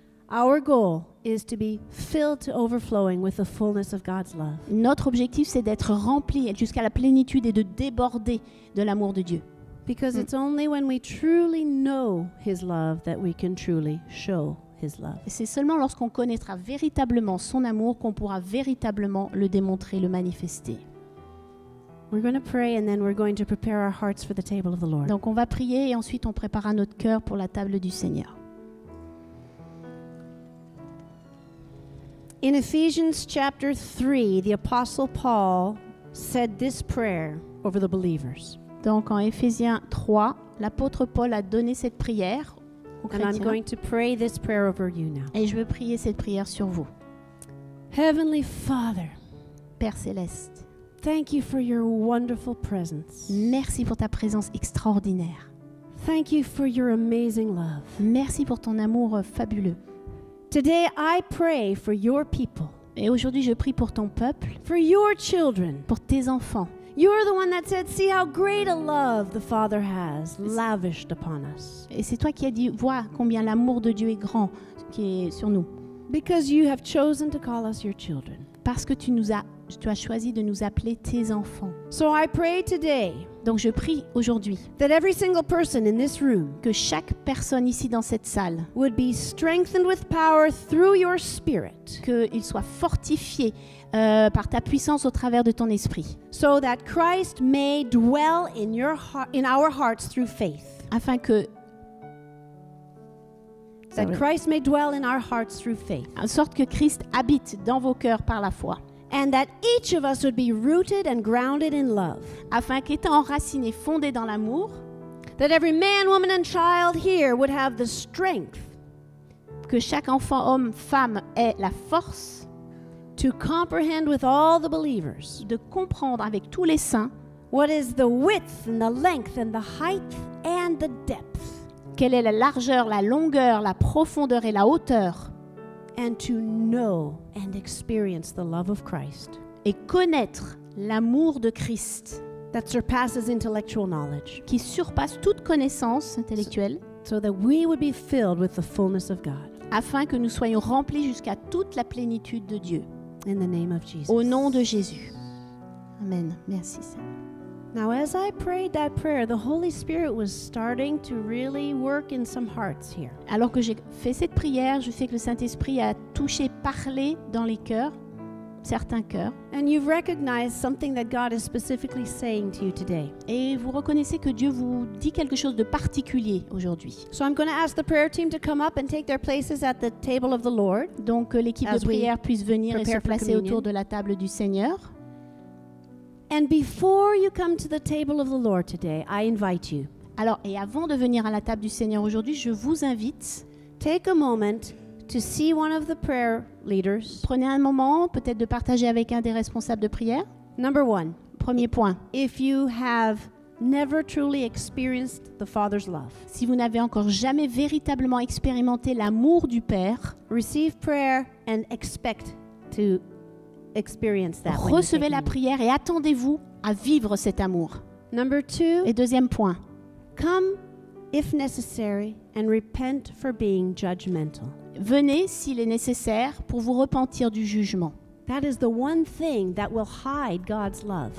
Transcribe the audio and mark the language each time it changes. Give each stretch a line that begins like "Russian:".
English: Our goal is to be filled to overflowing with the fullness of God's love.
French: Notre objectif c'est d'être rempli jusqu'à la plénitude et de déborder de l'amour de Dieu.
English: Because it's only when we truly know his love that we can truly show his love.
French: Et c'est seulement lorsqu'on connaîtra véritablement son amour qu'on pourra véritablement le démontrer, le manifester.
English: We're going to pray and then we're going to prepare our hearts for the table of the Lord.
French: Donc on va prier et ensuite on préparera notre cœur pour la table du Seigneur.
English: In Ephesians chapter 3, the apostle Paul said this prayer over the believers.
French: Donc en Éphésiens 3, l'apôtre Paul a donné cette prière aux chrétiens.
English: And I'm going to pray this prayer over you now.
French: Et je veux prier cette prière sur vous.
English: Heavenly Father,
French: Père céleste,
English: thank you for your wonderful presence.
French: Merci pour ta présence extraordinaire.
English: Thank you for your amazing love.
French: Merci pour ton amour fabuleux.
English: Today I pray for your people.
French: Et aujourd'hui je prie pour ton peuple.
English: For your children.
French: Pour tes enfants.
English: You are the one that said, "See how great a love the Father has lavished upon us."
French: Et c'est toi qui as dit, vois combien l'amour de Dieu est grand qui est sur nous.
English: Because you have chosen to call us your children.
French: Parce que tu as choisi de nous appeler tes enfants.
English: So I pray today.
French: Donc je prie aujourd'hui.
English: That every single person in this room,
French: que chaque personne ici dans cette salle,
English: would be strengthened with power through your Spirit.
French: Que il soit fortifié. Par ta puissance au travers de ton esprit.
English: So that Christ may dwell in your heart, in our hearts through faith.
French: Afin que
English: that Christ may dwell in our hearts through faith.
French: En sorte que Christ habite dans vos cœurs par la foi.
English: And that each of us would be rooted and grounded in love.
French: Afin qu'étant enracinés, fondés dans l'amour,
English: that every man, woman and child here would have the strength
French: que chaque enfant, homme, femme ait la force
English: to comprehend with all the believers
French: de comprendre avec tous les saints
English: what is the width and the length and the height and the depth.
French: Quelle est la largeur, la longueur, la profondeur et la hauteur.
English: And to know and experience the love of Christ.
French: Et connaître l'amour de Christ.
English: That surpasses intellectual knowledge.
French: Qui surpasse toute connaissance intellectuelle.
English: So that we would be filled with the fullness of God.
French: Afin que nous soyons remplis jusqu'à toute la plénitude de Dieu.
English: In the name of Jesus.
French: Au nom de Jésus. Amen. Merci Seigneur.
English: Now as I prayed that prayer, the Holy Spirit was starting to really work in some hearts here.
French: Alors que j'ai fait cette prière, je sais que le Saint-Esprit a touché, parlé dans les cœurs, certains cœurs.
English: And you've recognized something that God is specifically saying to you today.
French: Et vous reconnaissez que Dieu vous dit quelque chose de particulier aujourd'hui.
English: So I'm going to ask the prayer team to come up and take their places at the table of the Lord.
French: Donc l'équipe de prière puisse venir et se placer autour de la table du Seigneur.
English: And before you come to the table of the Lord today, I invite you.
French: Alors, et avant de venir à la table du Seigneur aujourd'hui, je vous invite.
English: Take a moment to see one of the prayer leaders.
French: Prenez un moment, peut-être de partager avec un des responsables de prière.
English: Number one.
French: Premier point.
English: If you have never truly experienced the Father's love.
French: Si vous n'avez encore jamais véritablement expérimenté l'amour du Père.
English: Receive prayer and expect to experience that.
French: Recevez la prière et attendez-vous à vivre cet amour.
English: Number two.
French: Et deuxième point.
English: Come, if necessary, and repent for being judgmental.
French: Venez s'il est nécessaire pour vous repentir du jugement.
English: That is the one thing that will hide God's love.